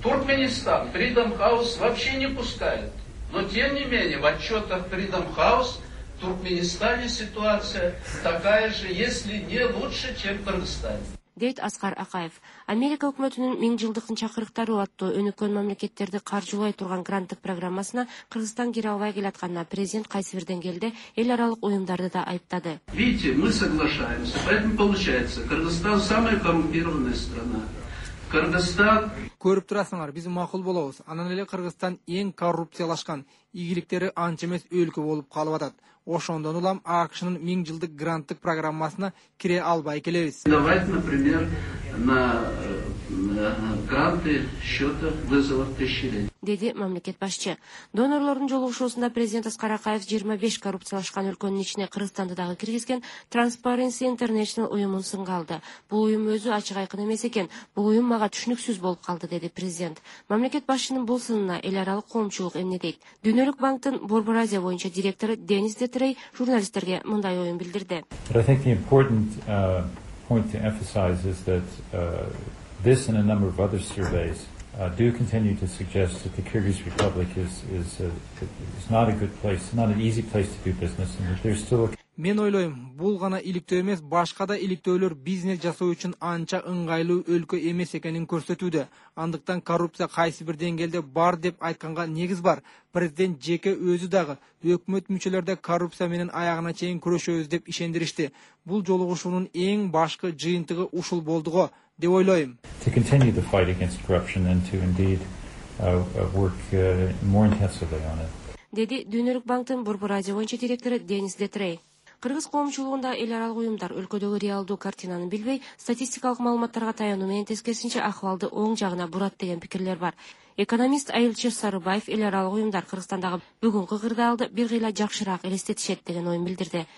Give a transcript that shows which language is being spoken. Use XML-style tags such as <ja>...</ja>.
<ru>Түркмөнстан Freedom House вообще не пускает. Но тем не менее в отчетах Freedom House в Түркмөнстане ситуация такая же, если не лучше, чем в Кыргызстане.</ru> <ky>Дейт Аскар Акаев. Америка өкмөтүнүн миң жылдыкын чакырыктары аттуу өнүккөн мамлекеттерди каржылай турган гранттык программасына Кыргызстан кире албай келатканына президент кайсы бир деңгээлде эл аралык уюмдарды да айыптады.</ky> <ru>Видите, мы соглашаемся. Поэтому получается, Кыргызстан самая коррумпированная страна.</ru> <ky>Көрүп турасыңар, биз макул болобуз. Анан эле Кыргызстан эң коррупциялашкан, ийгиликтери анча эмес өлкө болуп калып атат. Ошондон улам АКШнын миң жылдык гранттык программасына кире албай келебиз.</ky> <ru>Давайте, например, на гранты счета вызовов тысячелетий.</ru> <ky>Деди мамлекет башчы. Донорлордун жолугушуусунда президент Аскар Акаев 25 коррупциялашкан өлкөнүн ичине Кыргызстанды дагы киргизген Transparency International уюмун сынга алды. Бул уюм өзү ачык айкын эмес экен. Бул уюм мага түшүнүксүз болуп калды, деди президент. Мамлекет башчынын бул сынына эл аралык коомчулук эмне дейт? Дүйнөлүк банктын Борбор Азия боюнча директору Денис Детрей журналисттерге мындай оюн билдирди.</ky> <en>I think the important point to emphasize is that this and a number of other surveys do continue to suggest that the Kyrgyz Republic is not a good place, not an easy place to do business, and that there's still a...</en> <ky>Мен ойлойм, бул гана иликтөө эмес, башка да иликтөөлөр бизнес жасоо үчүн анча ыңгайлуу өлкө эмес экенин көрсөтүүдө. Андыктан коррупция кайсы бир деңгээлде бар деп айтканга негиз бар. Президент жеке өзү дагы өкмөт мүчөлөрү да коррупция менен аягына чейин күрөшөбүз деп ишендиришти. Бул жолугушуунун эң башкы жыйынтыгы ушул болдуго деп ойлойм.</ky> <en>To continue the fight against corruption and to indeed work more intensively on it.</en> <ky>Деди дүйнөлүк банктын Борбор Азия боюнча директору Денис Детрей. Кыргыз коомчулугунда эл аралык уюмдар өлкөдөгү реалдуу картинаны билбей, статистикалык маалыматтарга таянуу менен тескерисинче акыбалды оң жагына бурат деген пикирлер бар. Экономист Айылчы Сарыбаев эл аралык уюмдар Кыргызстандагы бүгүнкү кырдаалды бир кыйла жакшыраак элестетишет деген оюн билдирди.</ky>